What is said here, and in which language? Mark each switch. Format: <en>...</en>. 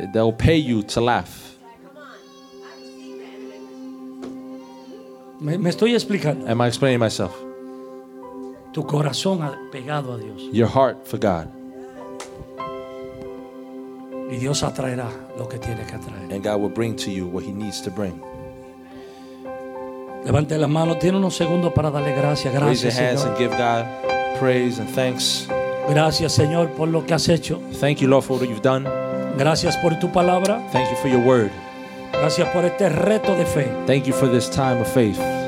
<en>They'll pay you to laugh.</en> <es>Me estoy explicando.</es> <en>Am I explaining myself?</en> <es>Tu corazón pegado a Dios.</es> <en>Your heart for God.</en> <es>Y Dios atraerá lo que tiene que atraer.</es> <en>And God will bring to you what he needs to bring.</en> <es>Levante las manos, tiene unos segundos para darle gracias. Gracias, Señor.</es> <en>Raise your hands and give God praise and thanks.</en> <es>Gracias, Señor, por lo que has hecho.</es> <en>Thank you, Lord, for what you've done.</en> <es>Gracias por tu palabra.</es> <en>Thank you for your word.</en> <es>Gracias por este reto de fe.</es> <en>Thank you for this time of faith.</en>